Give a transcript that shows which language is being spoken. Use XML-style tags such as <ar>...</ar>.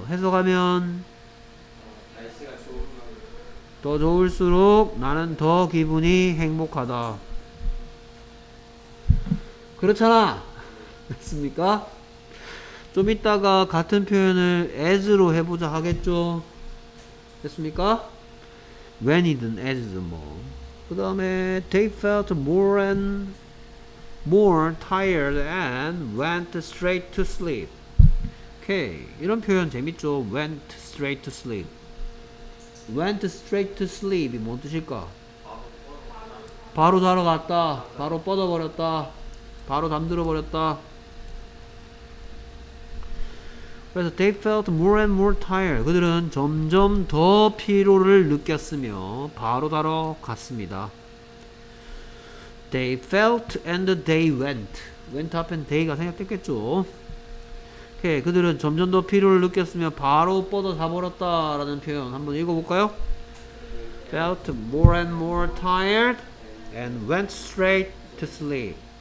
<ko>해석하면 더 좋을수록 나는 더 기분이 행복하다. 그렇잖아. 됐습니까? 좀 이따가 같은 표현을 as로 해보자 하겠죠. 됐습니까? when이든 as든 뭐. 그 다음에</ko> <en>they felt more tired and went straight to sleep.</en> <ko>오케이. 이런 표현 재밌죠.</ko> <en>went straight to sleep. went straight to sleep</en> <ko>이 뭔 뜻일까? 바로 자러 갔다. 바로 뻗어버렸다. 바로 잠들어버렸다. 그래서</ko> <en>they felt more and more tired.</en> <ko>그들은 점점 더 피로를 느꼈으며 바로 자러 갔습니다.</ko> <en>They felt and they went. went up and they가</en> <ko>생각됐겠죠.</ko> <en>오케이.</en> <ko>그들은 점점 더 피로를 느꼈으며 바로 뻗어 자버렸다 라는 표현 한번 읽어볼까요?</ko> <en>Felt more and more tired and went straight to sleep.</en>